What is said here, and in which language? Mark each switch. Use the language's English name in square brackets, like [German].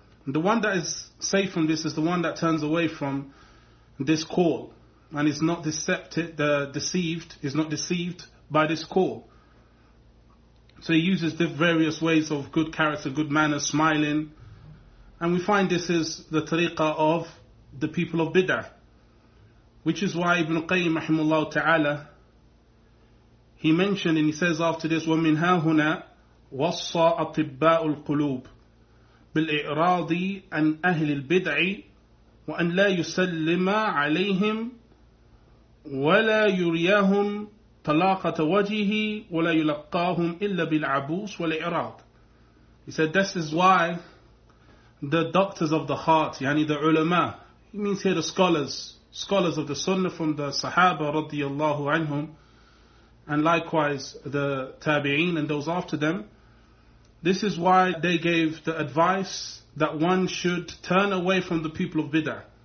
[English] The one that is safe from this is the one that turns away from this call and is not deceived by this call. So he uses the various ways of good character, good manners, smiling. And we find this is the tariqah of the people of bid'ah. Which is why Ibn Qayyim rahimahullah ta'ala, he mentioned and he says after this, [Arabic] وَمِنْ هَا هُنَا وَصَّى أَطِبَّاءُ الْقُلُوبِ بِالْإِعْرَاضِ أَنْ أَهْلِ الْبِدْعِ وَأَنْ لَا يُسَلِّمَ عَلَيْهِمْ وَلَا يُرِيَاهُمْ طَلَاقَةَ وَجِهِ وَلَا يُلَقَّاهُمْ إِلَّا بِالْعَبُوسِ وَالْإِعْرَاضِ. [English] He said, this is why the doctors of the heart, yani the ulama, he means here the scholars of the sunnah from the sahaba radiyallahu anhum, and likewise the tabi'een and those after them, this is why they gave the advice that one should turn away from the people of bid'ah.